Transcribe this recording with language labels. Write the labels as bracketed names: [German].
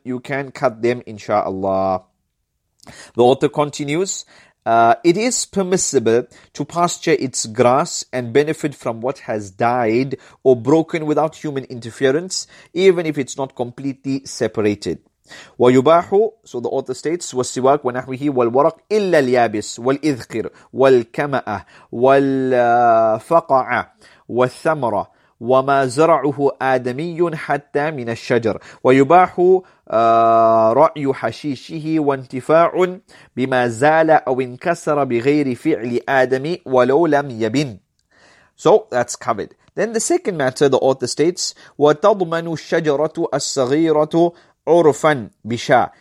[English] You can cut them, inshallah. The author continues. It is permissible to pasture its grass and benefit from what has died or broken without human interference, even if it's not completely separated. [Arabic] وَيُبَاحُ, [English] so the author states, [Arabic] وَالسِّوَاكُ وَنَحْوِهِ وَالْوَرَقُ إِلَّا الْيَابِسُ وَالْإِذْقِرُ وَالْكَمَأَةُ وَالْفَقَعَ وَالثَّمَرَ وَمَا زَرَعُهُ آدَمِيٌّ حَتَّى مِنَ الشَّجَرِ وَيُبَاحُ رأي حشيشه وانتفاع بما زال أو انكسر بغير فعل آدمي ولو لم يبن. [English] So that's covered. Then the second matter, the author states, [Arabic] وتضمن الشجرة الصغيرة عرفا بشاء.